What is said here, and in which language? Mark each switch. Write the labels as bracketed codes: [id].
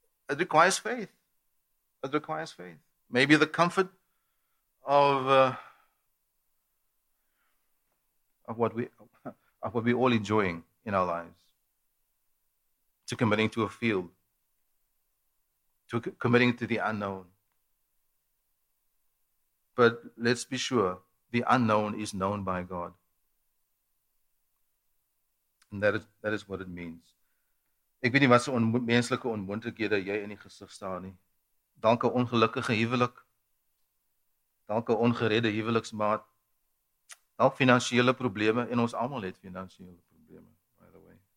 [en] It requires faith. It requires faith. Maybe the comfort of what we're all enjoying in our lives. To committing to a field. To committing to the unknown. But let's be sure, the unknown is known by God. And that is what it means. [af] Ek weet nie wat se onmenslike onmoontlikhede jy in die gesig staan nie. Dalk 'n ongelukkige huwelik. Dalk 'n ongeredde huweliksmaat. Dalk finansiële probleme en ons almal het finansiële probleme, [en] by the way.